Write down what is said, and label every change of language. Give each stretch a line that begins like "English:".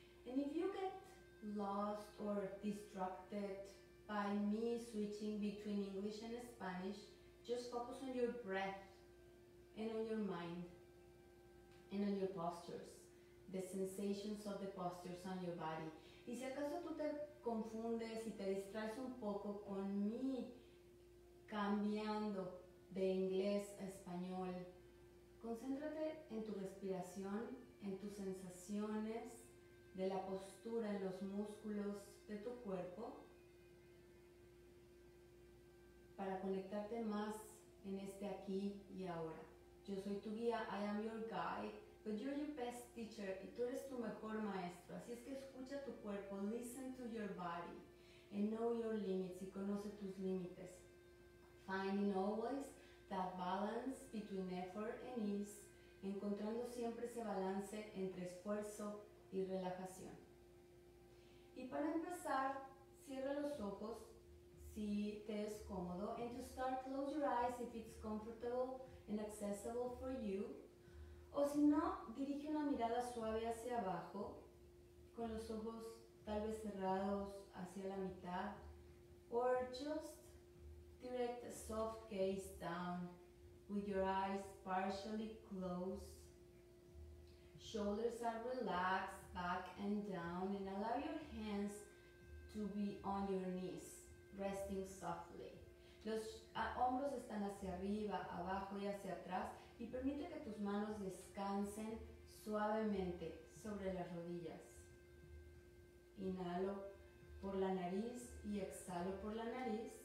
English: And if you get lost or distracted by me switching between English and Spanish, just focus on your breath and on your mind and on your postures, the sensations of the postures on your body.
Spanish: Y si acaso tú te confundes y te distraes un poco con mí cambiando de inglés a español, concéntrate en tu respiración, en tus sensaciones, de la postura, en los músculos de tu cuerpo, para conectarte más en este aquí y ahora. Yo soy tu guía,
English: I am your guide, but you're your best teacher,
Spanish: y tú eres tu mejor maestro. Así es que escucha tu cuerpo,
English: listen to your body, and know your limits,
Spanish: y conoce tus límites.
English: Finding always that balance between effort and ease,
Spanish: encontrando siempre ese balance entre esfuerzo y relajación. Y para empezar, cierra los ojos si te es cómodo.
English: And to start, close your eyes if it's comfortable and accessible for you.
Spanish: O si no, dirige una mirada suave hacia abajo, con los ojos tal vez cerrados hacia la mitad.
English: Or just direct a soft gaze down with your eyes partially closed. Shoulders are relaxed back and down, and allow your hands to be on your knees, resting softly.
Spanish: Los hombros están hacia arriba, abajo y hacia atrás, y permite que tus manos descansen suavemente sobre las rodillas. Inhalo por la nariz y exhalo por la nariz.